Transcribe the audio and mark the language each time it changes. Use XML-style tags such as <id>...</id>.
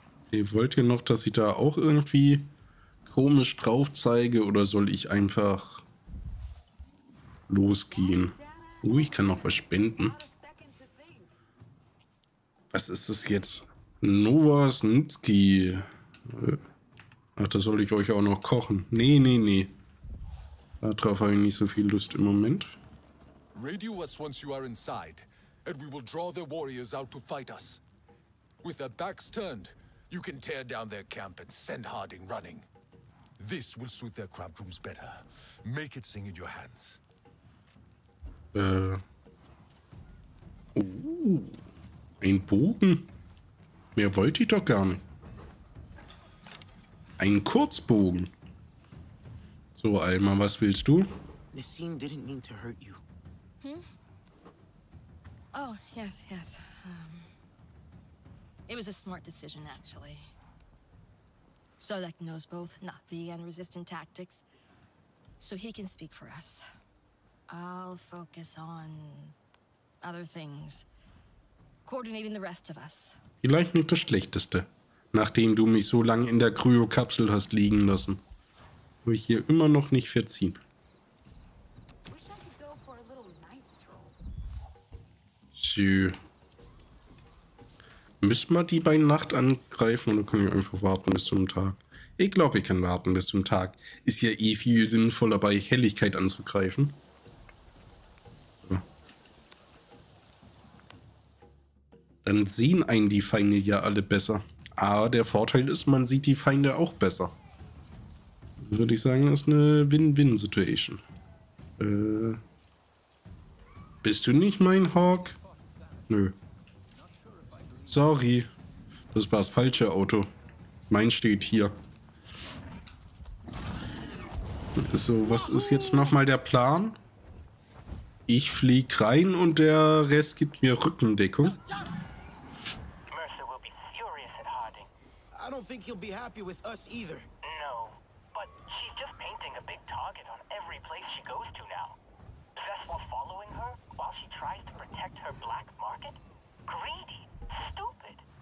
<de>Ihr wollt ihr noch, dass ich da auch irgendwie komisch drauf zeige oder soll ich einfach losgehen? Oh, ich kann noch was spenden. Was ist das jetzt? Novosnitsky. Ach, da soll ich euch auch noch kochen. Nee, nee, nee. Darauf habe ich nicht so viel Lust im Moment.</de> <en>Radio us once you are inside, and we will draw the warriors out to fight us. With their backs turned, you can tear down their camp and send Harding running. This will suit their cramped rooms better. Make it sing in your hands.</en> <de>Ein Bogen? Mehr wollte ich doch gar nicht. Ein Kurzbogen. So, Alma, was willst du?</de> <en>Nassim didn't mean to hurt you. Hmm? Oh, yes, yes. It was a smart decision, actually. Solek knows both Na'vi and resistant tactics, so he can speak for us. I'll focus on other things, coordinating the rest of us.</en> <de>Vielleicht nicht das Schlechteste, nachdem du mich so lange in der Kryokapsel hast liegen lassen. Habe ich hier immer noch nicht verziehen. Müssen wir die bei Nacht angreifen oder können wir einfach warten bis zum Tag? Ich glaube, ich kann warten bis zum Tag. Ist ja eh viel sinnvoller, bei Helligkeit anzugreifen. So. Dann sehen einen die Feinde ja alle besser. Aber der Vorteil ist, man sieht die Feinde auch besser. Würde ich sagen, das ist eine Win-Win-Situation. Bist du nicht mein Hawk? Nö. Sorry. Das war das falsche Auto. Mein steht hier. So, was ist jetzt nochmal der Plan? Ich flieg rein und der Rest gibt mir Rückendeckung.</de> <en>Mercer will be furious at Harding. I don't think he'll be happy with us either. No, but she's just painting a big target on every place she goes to now. Vessel following her while she tries to protect her black market? Greedy, stupid.</en>